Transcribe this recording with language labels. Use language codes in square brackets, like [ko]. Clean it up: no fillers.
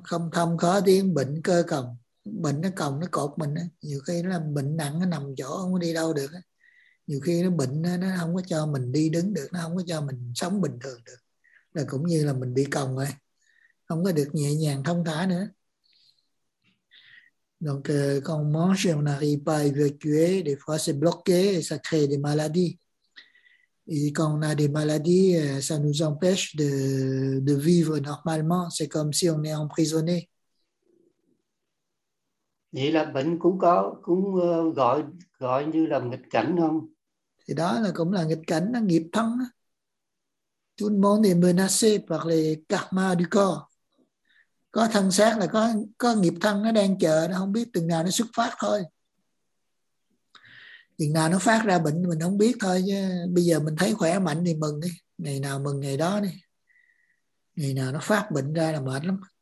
[vi] Không thông khó tiếng bệnh cơ cầu. Bệnh nó còng nó cột mình á. Nhiều khi nó làm bệnh nặng nó nằm chỗ không có đi đâu được á. Nhiều khi nó bệnh nó không có cho mình đi đứng được, nó không có cho mình sống bình thường được, là cũng như là mình bị còng rồi, không có được nhẹ nhàng thông thả nữa. [fr] Donc quand on mange on n'arrive pas à évacuer, des fois c'est bloqué et ça crée des maladies, et quand on a des maladies ça nous empêche de vivre normalement, c'est comme si on est emprisonné. [vi] Vậy là bệnh cũng có, cũng gọi như là nghịch cảnh không? Thì đó là cũng là nghịch cảnh, là nghiệp thân. [fr] Tout le monde est menacé par les karma du corps. [vi] Có thân xác là có nghiệp thân nó đang chờ, nó không biết từng nào nó xuất phát thôi. Từng nào nó phát ra bệnh mình không biết thôi, chứ bây giờ mình thấy khỏe mạnh thì mừng đi. Ngày nào mừng ngày đó đi. Ngày nào nó phát bệnh ra là mệt lắm.